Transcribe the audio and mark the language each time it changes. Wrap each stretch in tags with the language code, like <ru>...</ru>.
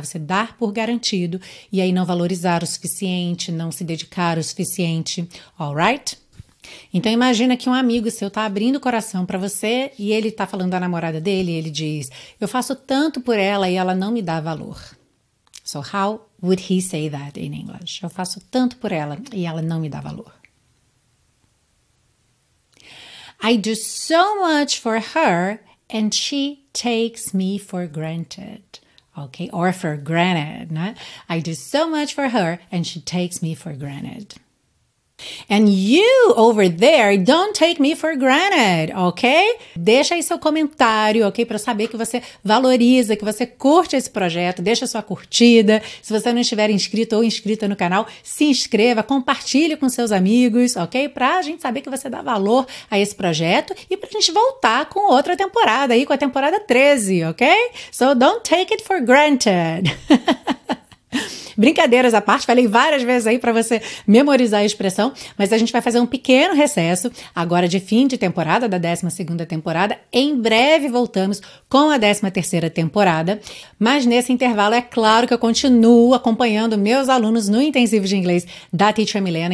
<pt>Você dar por garantido e aí não valorizar o suficiente, não se dedicar o suficiente, alright? Então imagina que um amigo seu tá abrindo o coração pra você e ele tá falando da namorada dele e ele diz, eu faço tanto por ela e ela não me dá valor.</pt> <en>So how would he say that in English?</en> <pt>Eu faço tanto por ela e ela não me dá valor.</pt> <en>I do so much for her and she takes me for granted, okay? Or for granted, né? I do so much for her and she takes me for granted. And you over there, don't take me for granted, ok?</en> <pt>Deixa aí seu comentário, ok? Para saber que você valoriza, que você curte esse projeto. Deixa sua curtida. Se você não estiver inscrito ou inscrita no canal, se inscreva, compartilhe com seus amigos, ok? Para a gente saber que você dá valor a esse projeto e para a gente voltar com outra temporada aí, com a temporada 13, ok?</pt> <en>So don't take it for granted.</en> <pt>Brincadeiras à parte, falei várias vezes aí para você memorizar a expressão, mas a gente vai fazer um pequeno recesso agora de fim de temporada, da 12ª temporada. Em breve voltamos com a 13ª temporada, mas nesse intervalo é claro que eu continuo acompanhando meus alunos no intensivo de inglês da Teacher Milena.</pt>